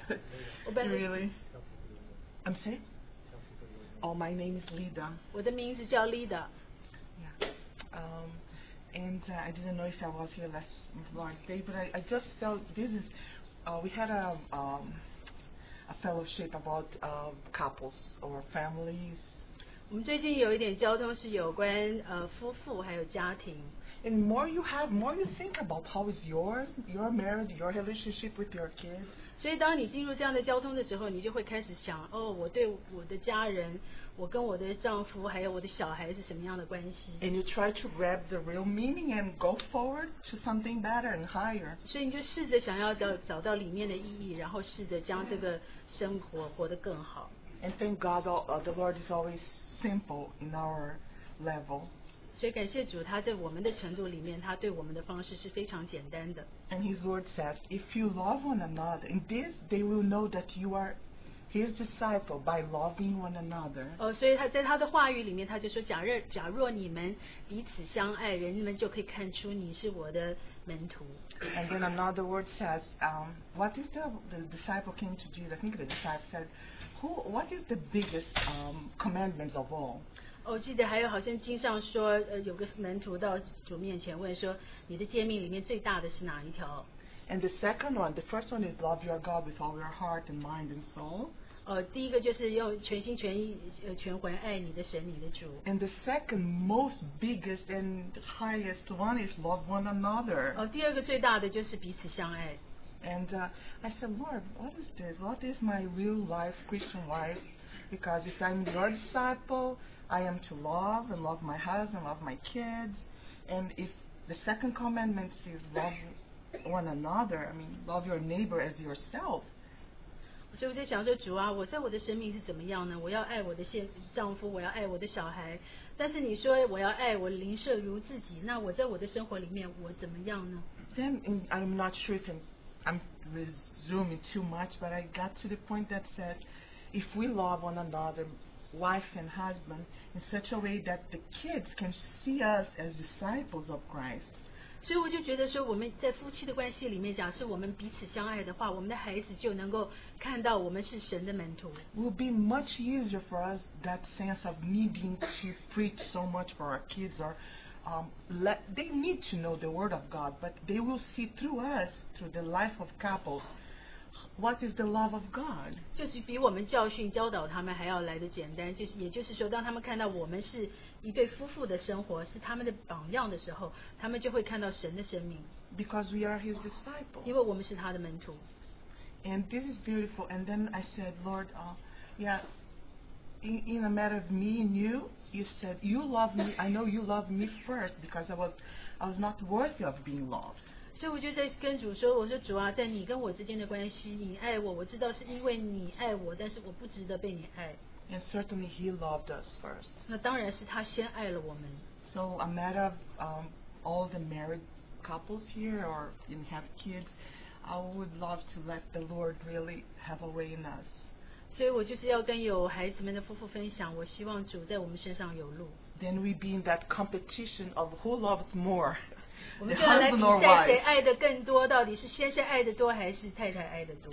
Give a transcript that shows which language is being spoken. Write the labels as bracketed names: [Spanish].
[English] But really? I'm sorry? Oh, my name is Lida. [Chinese] 我的名字叫 Lida. [English] Yeah. I didn't know if I was here last Lord's Day, but I just felt this is, we had a fellowship about couples or families. [Chinese] 我们最近有一点交通是有关夫妇还有家庭。 [English] And more you have, more you think about how is your marriage, your relationship with your kids. [Chinese] 所以当你进入这样的交通的时候，你就会开始想，哦，我对我的家人，我跟我的丈夫还有我的小孩是什么样的关系。 [English] And you try to grab the real meaning and go forward to something better and higher. [Chinese] 所以你就试着想要找到里面的意义，然后试着将这个生活活得更好。 [English] And thank God, the Lord is always simple in our level. [Chinese] 所以感谢主，他在我们的程度里面，他对我们的方式是非常简单的。 [English] And His word says, if you love one another, in this they will know that you are His disciple by loving one another. [Chinese] 哦，所以他在他的话语里面，他就说，假若你们彼此相爱，人们就可以看出你是我的门徒。 [English] And then another word says, what if the disciple came to Jesus? I think the disciple said, what is the biggest commandments of all? [Chinese] 我记得还有好像经上说有个门徒到主面前问说你的诫命里面最大的是哪一条 [English] And the second one, the first one is love your God with all your heart and mind and soul. [Chinese] 第一个就是用全心全意全魂爱你的神你的主 [English] And the second most biggest and highest one is love one another. [Chinese] 第二个最大的就是彼此相爱 [English] And I said, Lord, what is this? What is my real life, Christian life? Because if I'm your disciple,I am to love and love my husband, love my kids. And if the second commandment is love one another, I mean, love your neighbor as yourself. [Chinese] 所以我在想说，主啊，我在我的生命是怎么样呢？我要爱我的丈夫，我要爱我的小孩。但是你说我要爱我邻舍如自己，那我在我的生活里面我怎么样呢？ [English] Then I'm not sure if I'm resuming too much, but I got to the point that said, if we love one another,wife and husband in such a way that the kids can see us as disciples of Christ. [Chinese] 所以我就觉得说我们在夫妻的关系里面假设我们彼此相爱的话我们的孩子就能够看到我们是神的门徒。 [English] Will be much easier for us that sense of needing to preach so much for our kids or they need to know the word of God but they will see through us, through the life of couples, What is the love of God? [Chinese] 就是比我们教训教导他们还要来的简单，就是也就是说，当他们看到我们是一对夫妇的生活，是他们的榜样的时候，他们就会看到神的生命。 [English] Because we are His disciples. [Chinese] 因为我们是他的门徒。 [English] And this is beautiful. And then I said, Lord, yeah, in a matter of me and you, you said you love me. I know you love me first because I was not worthy of being loved. [Chinese] 所以我就在跟主说，我说主啊，在你跟我之间的关系，你爱我，我知道是因为你爱我，但是我不值得被你爱。 [English] And certainly He loved us first. [Chinese] 那当然是他先爱了我们。 [English] So a matter of all the married couples here or have kids. I would love to let the Lord really have a way in us. [Chinese] 所以我就是要跟有孩子们的夫妇分享，我希望主在我们身上有路。 [English] Then we be in that competition of who loves more. [Chinese] 我们就要来比赛谁爱的更多，到底是先生爱的多还是太太爱的多。